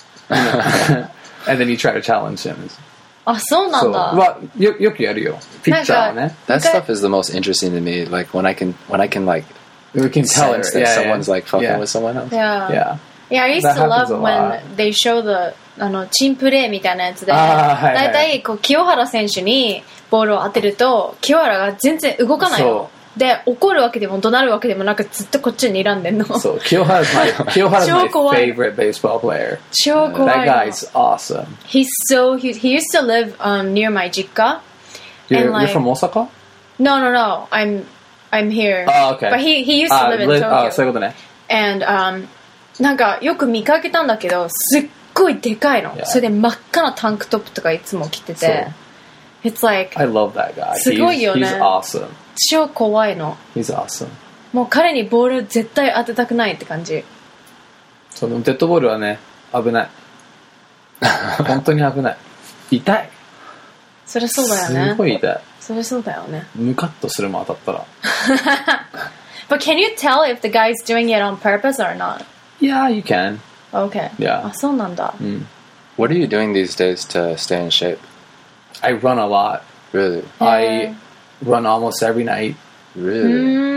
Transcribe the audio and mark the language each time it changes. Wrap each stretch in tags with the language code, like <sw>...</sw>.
<en>and then you try to challenge him.</en> <ja>あ、そうなんだ。よくやるよ。ピッチャーね。</ja> <en>That stuff is the most interesting to me. Like, when I can, like... We can tell it. Yeah, someone's, like, fucking with someone else. Yeah, I used to love when they show the...</en> <ja>あのチンプレーみたいなやつで、はいはい、だいたいこう清原選手にボールを当てると清原が全然動かないので怒るわけでも怒鳴るわけでもなくずっとこっちに睨んでんの。そう、清原は清原の</ja> <en>favorite baseball player。</en> <ja>超怖い。</ja> <en>That guy's awesome. He's so huge. He used to live near my 実家。 You're from Osaka? No. I'm here. Oh, okay. But he used to live in Tokyo.</en> <ja>あ、そういうことね。</ja> <en>And</en> <ja>なんかよく見かけたんだけど、すごいでかいの。それで真っ赤なタンクトップとかいつも着てて、</ja> <en>It's like I love that guy.</en> <ja>すごいよね。</ja> <en>He's awesome.</en> <ja>超怖いの。</ja> <en>He's awesome.</en> <ja>もう彼にボール絶対当てたくないって感じ。そう、でもデッドボールはね、危ない。本当に危ない。痛い。そりゃそうだよね。すごい痛い。それそうだよね。ムカッとするも当たったら。</ja> <en>But can you tell if the guy's doing it on purpose or not? Yeah, you can. Okay. Yeah.</en> <ja>あ、そうなんだ。うん。</ja> <en>What are you doing these days to stay in shape? I run a lot. Really? I run almost every night. Really?</en>